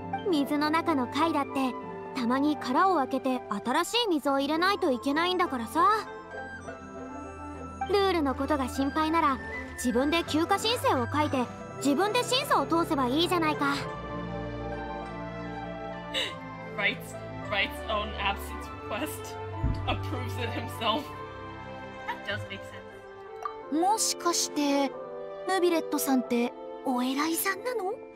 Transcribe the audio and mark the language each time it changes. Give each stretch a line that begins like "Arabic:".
Japanese: 水の中の貝だって。たまに殻を開けて新しい水を入れないといけないんだからさ。ルールのことが心配なら自分で休暇申請を書いて自分で審査を通せばいいじゃないか。
English: writes own absence request approves it himself. That does make sense.
Japanese: もしかしてヌビレットさんってお偉いさんなの？